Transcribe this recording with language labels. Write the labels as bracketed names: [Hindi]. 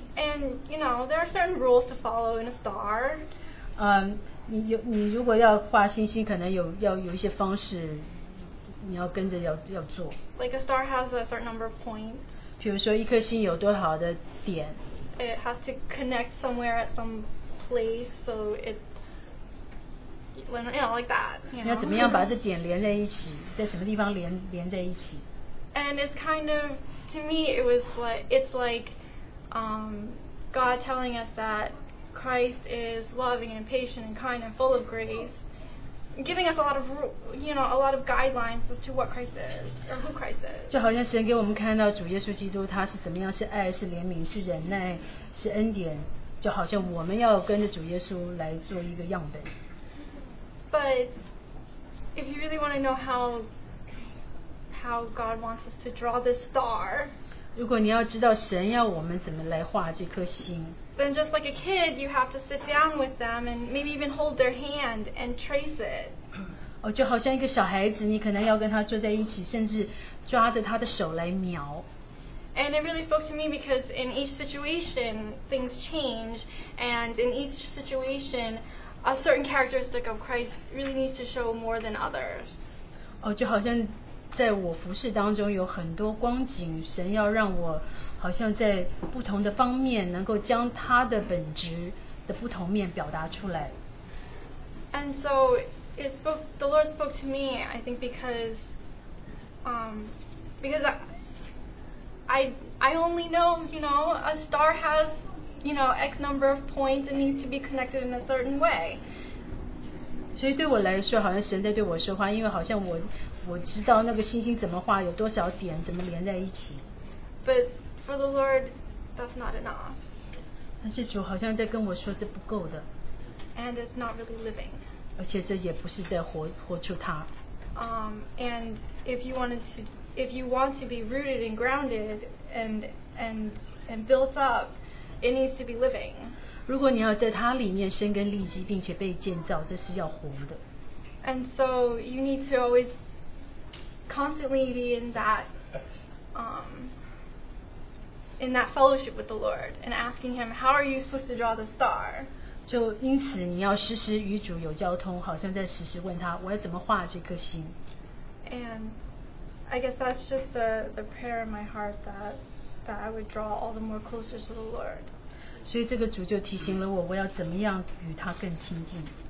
[English] And you know there are certain rules to follow in a star. [Chinese] 你如果要画星星，可能有一些方式，你要跟着要做。 [English] Like a star has a certain number of points. [Chinese] 比如说一颗星有多少的点。 [English] It has to connect somewhere at some place, so it's, you know, like that. You know? [Chinese] 你要怎么样把这点连在一起，在什么地方连在一起 [English] ？And it's kind of, to me, it was like it's like, God telling us that. Christ is loving and patient and kind and full of grace, giving us a lot of, you know, a lot of guidelines as to what Christ is or who Christ is. [Chinese] 就好像神给我们看到主耶稣基督他是怎么样，是爱，是怜悯，是忍耐，是恩典。就好像我们要跟着主耶稣来做一个样本。 [English] But if you really want to know how God wants us to draw this star. [Chinese] 如果你要知道神要我们怎么来画这颗星 [English] ，then just like a kid, you have to sit down with them and maybe even hold their hand and trace it. [Chinese] 哦，就好像一个小孩子，你可能要跟他坐在一起，甚至抓着他的手来描。 [English] And it really spoke to me because in each situation things change, and in each situation a certain characteristic of Christ really needs to show more than others. [Chinese] 哦，就好像。在我服事当中有很多光景，神要让我好像在不同的方面能够将他的本质的不同面表达出来。 [English] And so it spoke, the Lord spoke to me, I think because, because I only know, you know, a star has, you know, X number of points and needs to be connected in a certain way. [Chinese] 所以对我来说，好像神在对我说话，因为好像我知道那个星星怎么画，有多少点，怎么连在一起。 [English] But for the Lord, that's not enough. [Chinese] 但是主好像在跟我说，这不够的。 [English] And it's not really living. [Chinese] 而且这也不是在活出他。 [English] And if you want to be rooted and grounded and built up, it needs to be living. [Chinese] 如果你要在它里面生根立基，并且被建造，这是要活的。 [English] And so you need to always constantly be in that, in that fellowship with the Lord and asking Him, how are you supposed to draw the star? [Chinese] 就因此你要时时与主有交通，好像在时时问他，我要怎么画这颗星。 [English] And I guess that's just the prayer in my heart that that I would draw all the more closer to the Lord. [Chinese] 所以这个主就提醒了我，我要怎么样与他更亲近。